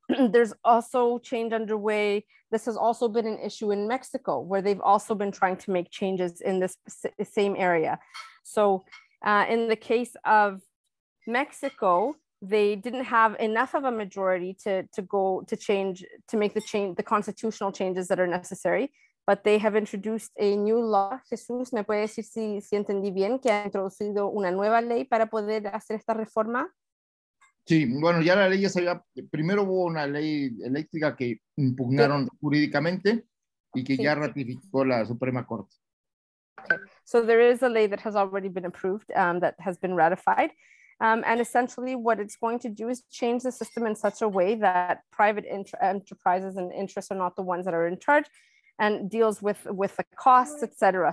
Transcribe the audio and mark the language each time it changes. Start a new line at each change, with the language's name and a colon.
English: There's also change underway. This has also been an issue in Mexico, where they've also been trying to make changes in this same area. So in the case of Mexico, they didn't have enough of a majority to make the constitutional changes that are necessary, but they have introduced a new law.
Spanish: Jesús, ¿me puede decir si entendí bien que ha introducido una nueva ley para poder hacer esta reforma? Sí, bueno, ya la ley ya se había. Primero hubo una ley eléctrica que impugnaron jurídicamente. y que ya ratificó la Suprema Corte.
English: Okay. So there is a ley that has already been approved, that has been ratified. And essentially what it's going to do is change the system in such a way that private enterprises and interests are not the ones that are in charge, and deals with the costs, et cetera.